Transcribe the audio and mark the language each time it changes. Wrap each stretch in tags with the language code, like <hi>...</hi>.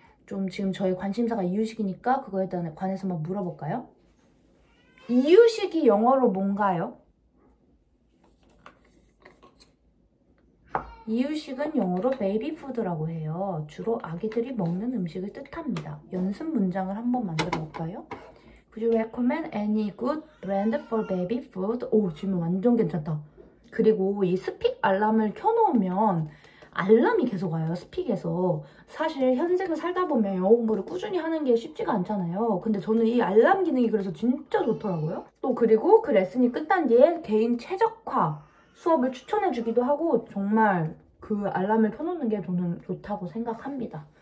<ko>좀 지금 저희 관심사가 이유식이니까 그거에 관해서 한번 물어볼까요? 이유식이 영어로 뭔가요? 이유식은 영어로 베이비푸드라고 해요. 주로 아기들이 먹는 음식을 뜻합니다. 연습 문장을 한번 만들어볼까요?</ko> <en>Would you recommend any good brand for baby food?</en> <ko>오, 지금 완전 괜찮다. 그리고 이 스픽 알람을 켜놓으면 알람이 계속 와요, 스픽에서. 사실 현생을 살다 보면 영어 공부를 꾸준히 하는 게 쉽지가 않잖아요. 근데 저는 이 알람 기능이 그래서 진짜 좋더라고요. 또 그리고 그 레슨이 끝난 뒤에 개인 최적화 수업을 추천해주기도 하고, 정말 그 알람을 켜놓는 게 저는 좋다고 생각합니다.</ko>